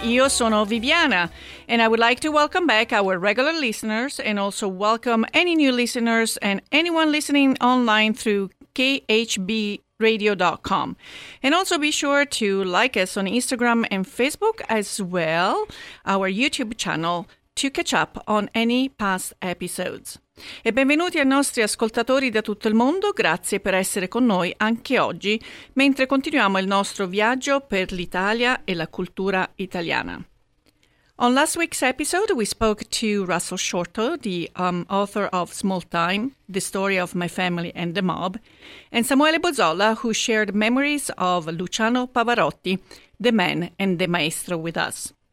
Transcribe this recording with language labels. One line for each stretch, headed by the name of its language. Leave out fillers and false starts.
Italian: Io sono Viviana
English: and I would like to welcome back our regular listeners and also welcome any new listeners and anyone listening online through khbradio.com. And also be sure to like us on Instagram and Facebook as well, our YouTube channel, to catch up on any past episodes.
Italian: E benvenuti ai nostri ascoltatori da tutto il mondo, grazie per essere con noi anche oggi, mentre continuiamo il nostro viaggio per l'Italia e la cultura italiana.
English: On last week's episode, we spoke to Russell Shorto, the author of Small Time, The Story of My Family and the Mob, and Samuele Bozzola, who shared memories of Luciano Pavarotti, the man and the maestro, with us.